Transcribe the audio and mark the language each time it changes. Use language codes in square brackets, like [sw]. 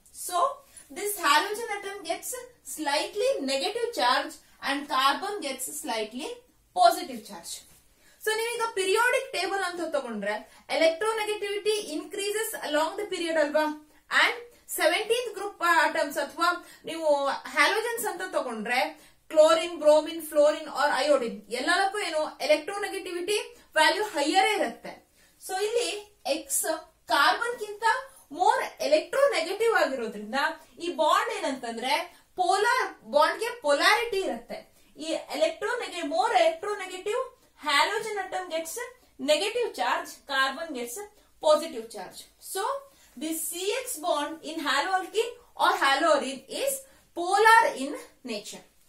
[en] So this halogen atom gets slightly negative charge and carbon gets slightly positive charge. [kn] So neevu periodic table anta tagondre [en] electronegativity increases along the period [kn] alva, and 17th group atoms ಅಥವಾ ನೀವು halogens ಅಂತ ತಗೊಂಡ್ರೆ chlorine, bromine, fluorine R iodine, ಎಲ್ಲದಕ್ಕೂ ಏನು electronegativity value higher ಇರುತ್ತೆ. So ಇಲ್ಲಿ X carbon ಕಿಂತ more electronegative ಆಗಿರೋದ್ರಿಂದ ಈ ಬಾಂಡ್ ಏನಂತಂದ್ರೆ ಪೋಲಾರ್ ಬಾಂಡ್ ಗೆ ಪೊಲಾರಿಟಿ ಇರುತ್ತೆ. [en] ಈ electronegative more electronegative halogen atom gets negative charge, carbon gets positive charge. So this CX bond in haloalkene or haloarene is polar in nature.